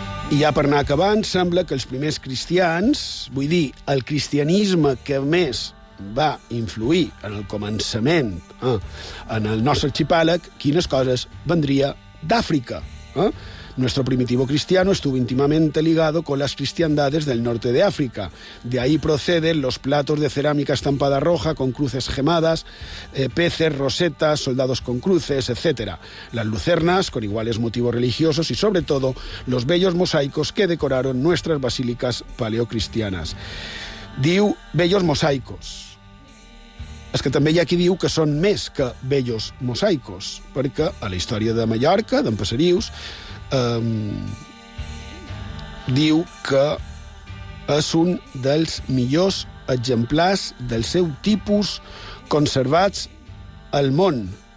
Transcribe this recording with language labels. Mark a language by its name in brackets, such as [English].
[Catalan] I ja per anar acabant, sembla que els primers cristians, vull dir, el cristianisme que més va influir en el començament en el nostre arxipèlag, quines coses vendria d'Àfrica. [Spanish] Nuestro primitivo cristiano estuvo íntimamente ligado con las cristiandades del norte de África. De ahí proceden los platos de cerámica estampada roja con cruces gemadas, peces, rosetas, soldados con cruces, etc. Las lucernas, con iguales motivos religiosos, y sobre todo los bellos mosaicos que decoraron nuestras basílicas paleocristianas. [Catalan] Diu [Spanish] bellos mosaicos. [Catalan] És que també hi ha qui diu que són més que [Spanish] bellos mosaicos, [Catalan] perquè a la història de Mallorca, d'en Passerius, diu que és un dels millors exemplars del seu tipus conservats al món.